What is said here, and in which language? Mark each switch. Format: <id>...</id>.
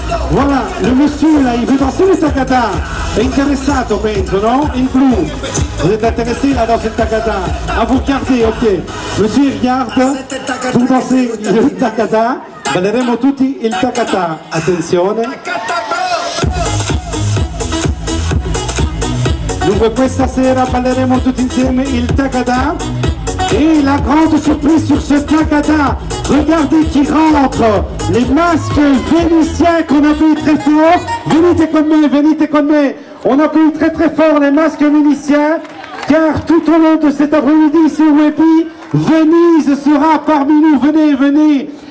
<fr>Voilà, le monsieur là, il veut danser le tacata.</fr> <it>È interessato, penso, no? In blu.</it> <fr>Vous êtes intéressé à danser le tacata. À vous regarder, ok. Monsieur, regarde. Vous dansez le tacata.</fr> <it>Balleremo tutti il tacata. Attenzione. Dunque, questa sera balleremo tutti insieme il tacata.</it> <fr>Et la grande surprise sur ce tacata. Regardez qui rentre, les masques vénitiens qu'on a pu très fort.</fr> <it>Venite con me.</it> <fr>On a pu très très fort les masques vénitiens, car tout au long de cet après-midi sur Webby, Venise sera parmi nous. Venez.</fr>